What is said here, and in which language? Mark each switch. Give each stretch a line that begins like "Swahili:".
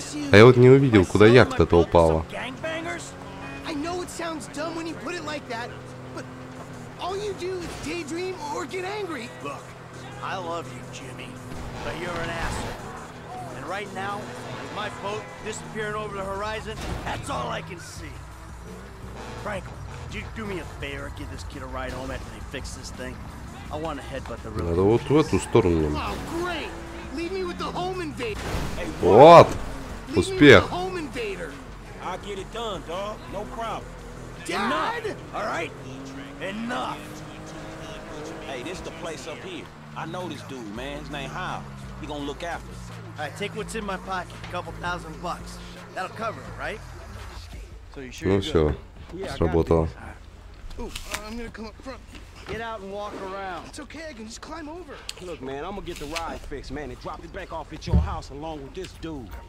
Russian: А я вот не увидел, куда яхта-то упала.
English: I know it sounds dumb when you put it like that, but all you do is daydream or get angry. Look, I love you, Jimmy, but you're an asshole. And right now, with my boat disappearing over the horizon, that's all I can see. Franklin, could you do me a favor and give this kid a ride home after they fix this thing? I want to headbutt the
Russian: roof. Надо вот в эту сторону.
English: Oh, great! Leave me with the home invader.
Russian: Вот! Успех!
English: I'll get it done, dog. No problem. Dad! All right. Enough. Hey, this the place up here. I know this dude, man. His name Howe. He gonna look after us. All right, take what's in my pocket. A couple thousand bucks. That'll cover it, right? So you sure?
Russian: Ну все, сработало.
English: I'm gonna come up front. Get out and walk around. It's okay, I can just climb over. Look, man, I'm gonna get the ride fixed, man, and drop it back off at your house along with this dude.